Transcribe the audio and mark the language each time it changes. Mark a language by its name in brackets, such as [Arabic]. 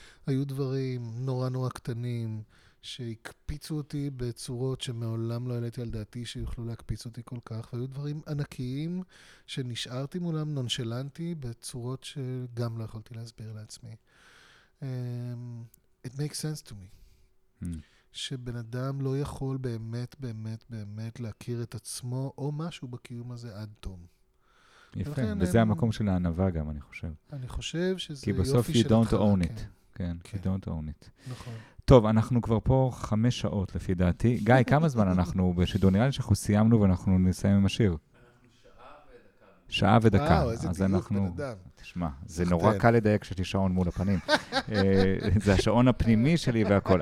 [Hebrew] היו דברים נורא נורא קטנים שהקפיצו אותי בצורות שמעולם לא העליתי על דעתי שיוכלו להקפיץ אותי כל כך, והיו דברים ענקיים שנשארתי מולם נונשלנטי בצורות שגם לא יכולתי להסביר לעצמי. [English] It makes sense to me. [Hebrew] שבן אדם לא יכול באמת, באמת, באמת להכיר את עצמו או משהו בקיום הזה עד תום. יפה, וזה המקום של הענווה גם, אני חושב. אני חושב שזה יופי של... כי בסוף [English] you don't own it. [Hebrew] כן, [English] you don't own it. [Hebrew] נכון. טוב, אנחנו כבר פה 5 שעות, לפי דעתי. גיא, כמה זמן אנחנו בשידור? נראה לי שאנחנו סיימנו ואנחנו נסיים עם השיר. שעה ודקה. אז אנחנו... תשמע, זה נורא קל לדייק שיש לי שעון מול הפנים. זה השעון הפנימי שלי והכל.